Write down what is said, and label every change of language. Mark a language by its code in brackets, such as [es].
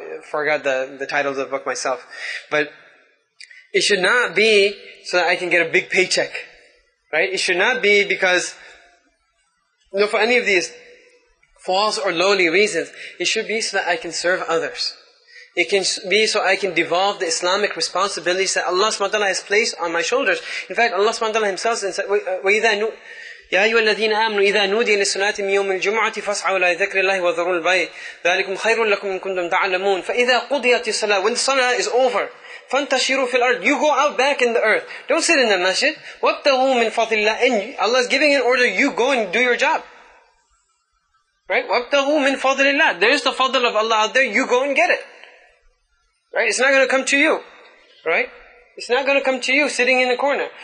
[en] Forgot the title of the book myself. But it should not be so that I can get a big paycheck. Right? It should not be because, for any of these false or lowly reasons, it should be so that I can serve others. It can be so I can devolve the Islamic responsibilities that Allah subhanahu wa ta'ala has placed on my shoulders. In fact, Allah subhanahu wa ta'ala himself said, [ar] وَإِذَا يَا أَيُّهَا الَّذِينَ آمَنُوا إِذَا نُودِيَ لِلصَّلَاةِ مِنْ يَوْمِ الْجُمُعَةِ فَاسْعَوْا إِلَى ذِكْرِ اللَّهِ وَذَرُوا الْبَيْعَ ذَلِكُمْ خَيْرٌ لَكُمْ إِن كُنتُمْ تَعْلَمُونَ فَإِذَا قُضِيَتِ الصَّلَاةُ, [en] when the salah is over, [ar] فَانْتَشِرُوا فِي الْأَرْضِ, [en] you go out back in the earth. Don't sit in the masjid. [ar] وَابْتَغُوا مِنْ فَضْلِ اللَّهِ, [en] Allah is giving an order, you go and do your job. Right? [ar] وَابْتَغُوا مِنْ فَضْلِ اللَّهِ, [en] there is the fadl of Allah out there, you go and get it. Right? It's not going to come to you. Right? It's not going to come to you sitting in the corner.